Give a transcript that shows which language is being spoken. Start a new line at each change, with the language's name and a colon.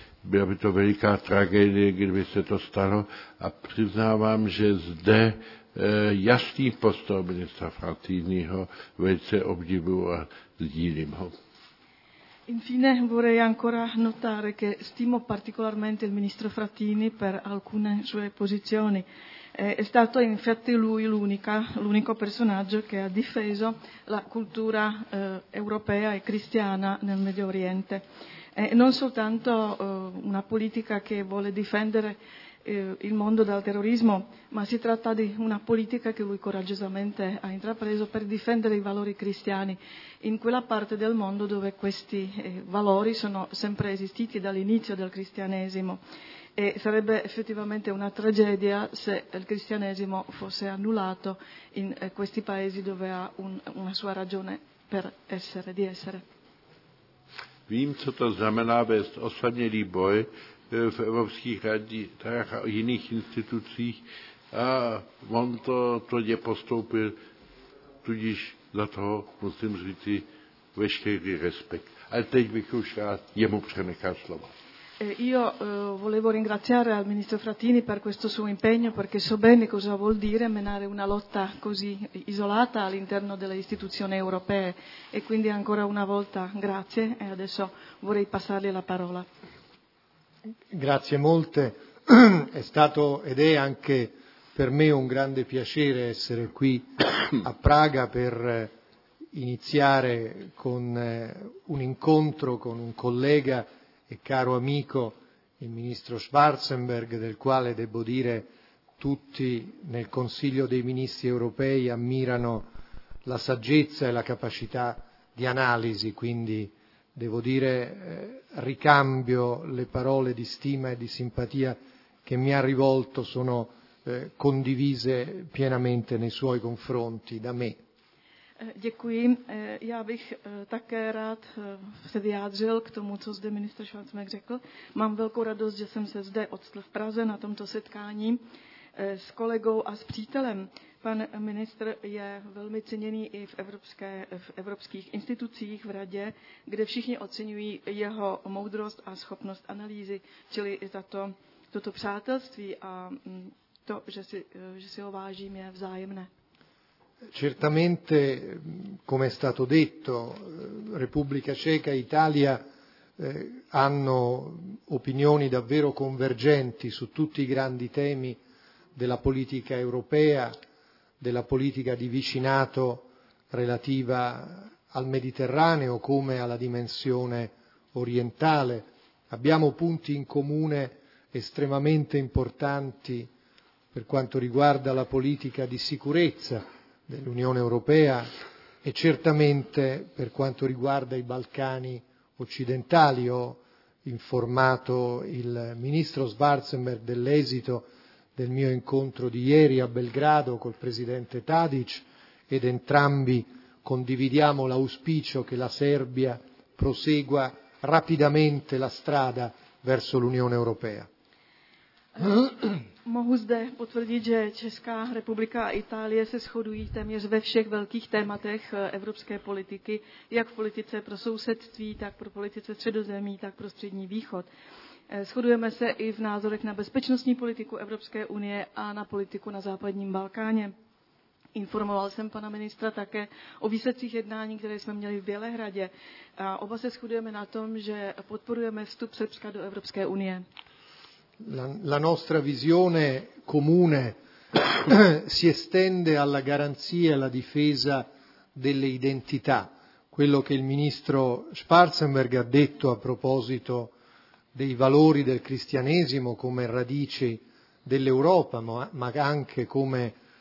Czech: Byla by to veliká tragédie, kdyby se to stalo, a přiznávám, že zde jasný postoj ministra Frattiniho velice obdivuju a sdílím ho.
Italian: Infine vorrei ancora notare che stimo particolarmente il ministro Frattini per alcune sue posizioni. È stato infatti lui l'unico personaggio che ha difeso la cultura europea e cristiana nel Medio Oriente. Non soltanto una politica che vuole difendere il mondo dal terrorismo, ma si tratta di una politica che lui coraggiosamente ha intrapreso per difendere i valori cristiani in quella parte del mondo dove questi valori sono sempre esistiti dall'inizio del cristianesimo, e sarebbe effettivamente una tragedia se il cristianesimo fosse annullato in questi paesi dove ha una sua ragione per essere, di essere.
Czech: Vím, co to znamená vést osamělý boj v evropských radách a jiných institucích, a on to tvrdě postoupil, tudíž za toho musím říct veškerý respekt. Ale teď bych už rád jemu přenechal slovo.
Italian: Io volevo ringraziare al ministro Frattini per questo suo impegno, perché so bene cosa vuol dire menare una lotta così isolata all'interno delle istituzioni europee, e quindi ancora una volta grazie, e adesso vorrei passargli la parola. Grazie molte, è stato ed è anche per me un grande piacere essere qui a Praga per iniziare con un incontro con un collega e caro amico, il ministro Schwarzenberg, del quale devo dire tutti nel Consiglio dei Ministri europei ammirano la saggezza e la capacità di analisi, quindi devo dire ricambio le parole di stima e di simpatia che mi ha rivolto, sono condivise pienamente nei suoi confronti da me.
Czech: Děkuji. Já bych také rád se vyjádřil k tomu, co zde ministr Schwarzenberg řekl. Mám velkou radost, že jsem se zde odstl v Praze na tomto setkání s kolegou a s přítelem. Pan ministr je velmi ceněný i v evropských institucích, v radě, kde všichni oceňují jeho moudrost a schopnost analýzy, čili i toto přátelství a to, že si ho vážím, je vzájemné.
Italian: Certamente, come è stato detto, Repubblica Ceca e Italia hanno opinioni davvero convergenti su tutti i grandi temi della politica europea, della politica di vicinato relativa al Mediterraneo come alla dimensione orientale. Abbiamo punti in comune estremamente importanti per quanto riguarda la politica di sicurezza dell'Unione Europea e certamente per quanto riguarda i Balcani occidentali. Ho informato il ministro Schwarzenberg dell'esito del mio incontro di ieri a Belgrado col presidente Tadic ed entrambi condividiamo l'auspicio che la Serbia prosegua rapidamente la strada verso l'Unione Europea.
Czech: Mohu zde potvrdit, že Česká republika a Itálie se shodují téměř ve všech velkých tématech evropské politiky, jak v politice pro sousedství, tak pro politice Středozemí, tak pro Střední východ. Shodujeme se i v názorech na bezpečnostní politiku Evropské unie a na politiku na západním Balkáně. Informoval jsem pana ministra také o výsledcích jednání, které jsme měli v Bělehradě. A oba se shodujeme na tom, že podporujeme vstup Srbska do Evropské unie.
Italian: La nostra visione comune si estende alla garanzia e alla difesa delle identità. Quello che il ministro Schwarzenberg ha detto a proposito dei valori del cristianesimo come radici dell'Europa, ma anche come